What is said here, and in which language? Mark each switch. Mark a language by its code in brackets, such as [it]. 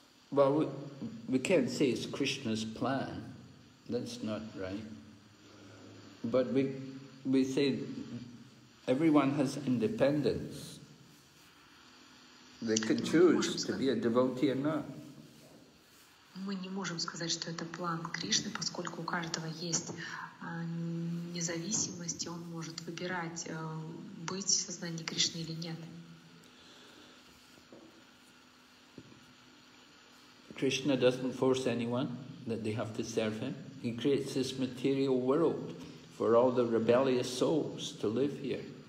[en] Well, we can't say it's Krishna's plan. That's not right. But we say everyone has independence. They can choose to be a devotee or not. [ru] Мы не можем сказать, что это план Кришны, поскольку у каждого есть независимость, и он может выбирать, быть в сознании Кришны или нет. [en] Krishna doesn't force anyone that they have to serve him. He creates this material world for all the rebellious souls to live here.